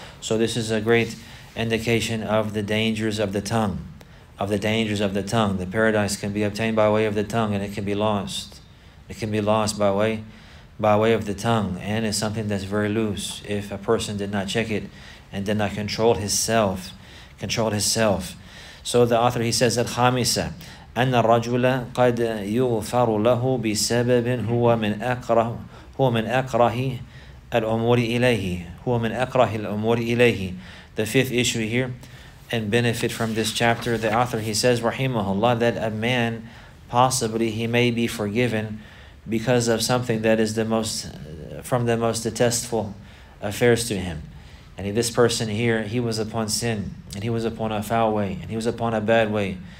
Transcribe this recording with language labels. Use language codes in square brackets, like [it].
[en] So this is a great indication of the dangers of the tongue. Of the dangers of the tongue. The paradise can be obtained by way of the tongue and it can be lost. It can be lost by way of the tongue. And it's something that's very loose. If a person did not check it and did not control himself. So the author, he says, Al-Khamisa, [ar] أن الرجل قد يغفر له بسبب هو من أكره الأمور إليه. [en] The fifth issue here, and benefit from this chapter, the author, he says, rahimahullah, that a man, possibly he may be forgiven because of something that is from the most detestful affairs to him. And this person here, he was upon sin, and he was upon a foul way, and he was upon a bad way.